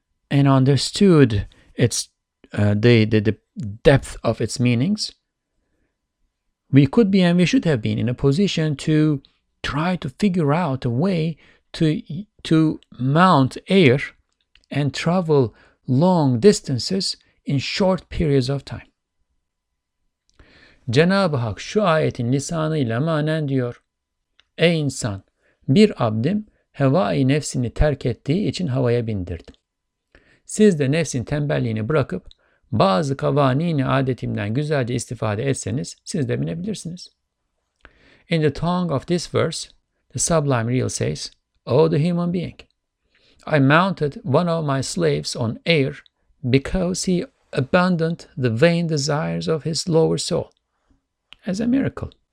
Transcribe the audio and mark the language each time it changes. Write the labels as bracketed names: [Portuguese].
[English] and understood its the depth of its meanings, we could be and we should have been in a position to try to figure out a way to mount air and travel long distances in short periods of time. [Turkish] Cenab-ı Hak şu ayetin lisanıyla manen diyor. Ey insan, bir abdim hevai nefsini terk ettiği için havaya bindirdim. Siz de nefsin tembelliğini bırakıp bazı kavanini adetimden güzelce istifade etseniz siz de binebilirsiniz. [English] In the tongue of this verse, the sublime real says, O the human being, I mounted one of my slaves on air because he abandoned the vain desires of his lower soul. As a miracle.